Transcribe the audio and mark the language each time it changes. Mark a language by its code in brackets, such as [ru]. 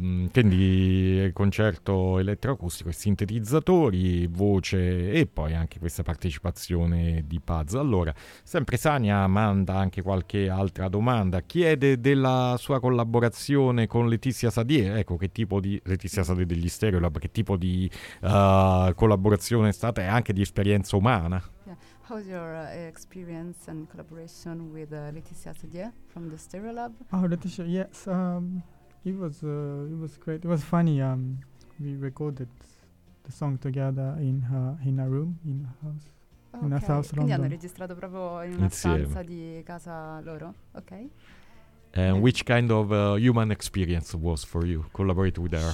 [it] quindi concerto elettroacustico e sintetizzatori, voce e poi anche questa partecipazione di Paz. Allora, sempre Sania manda anche qualche altra domanda, chiede della sua collaborazione con Letizia Sadier. Ecco, che tipo di Letizia Sadier degli Stereolab, che tipo di collaborazione è stata e anche di esperienza umana? [en] How's your experience and collaboration with Letizia Sadier from the Stereolab? Oh, Letizia, yes. It was great. It was funny. We recorded the song together in her room, in her house, in her house, London. [it] Quindi hanno registrato proprio in una stanza di casa loro. Okay. [en] And which kind of human experience was for you collaborate with her?